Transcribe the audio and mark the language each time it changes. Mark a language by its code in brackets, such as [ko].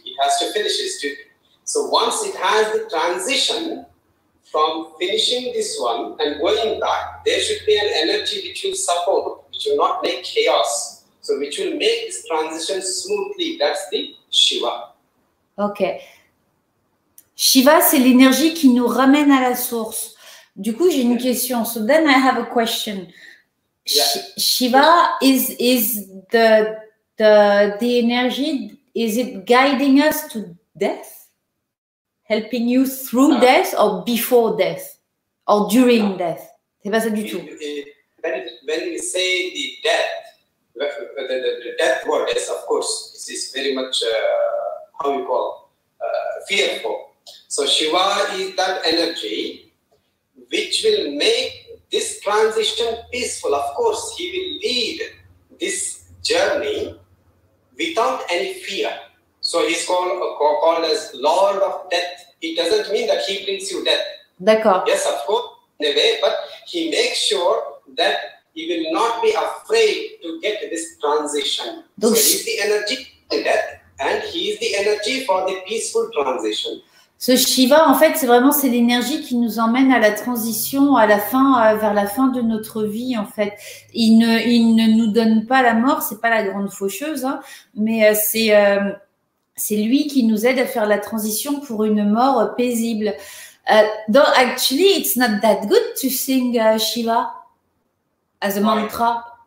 [en] It has to finish its duty. So once it has the transition from finishing this one and going back, there should be an energy which will support, which will not make chaos. So which will make this transition smoothly, that's the Shiva. Ok. [fr] Shiva, c'est l'énergie qui nous ramène à la source. Du coup, j'ai une question. [en] So then I have a question. Shiva is the energy, is it guiding us to death? Helping you through death or before death? Or during death? [fr] C'est pas ça du tout. [en] When we say the death, the death word, yes, of course, it is very much, how you call, fearful. So Shiva is that energy which will make this transition peaceful. Of course, he will lead this journey without any fear. So he's called as Lord of Death. It doesn't mean that he brings you death. [fr] D'accord. [en] Yes, of course, in a way, but he makes sure that he will not be afraid to get this transition. Donc, so he's the energy for death and he is the energy for the peaceful transition. [fr] Ce Shiva, en fait, c'est vraiment c'est l'énergie qui nous emmène à la transition, à la fin, vers la fin de notre vie, en fait. Il ne nous donne pas la mort, c'est pas la grande faucheuse, hein, mais c'est lui qui nous aide à faire la transition pour une mort paisible. [en] Though actually, it's not that good to sing Shiva as a mantra.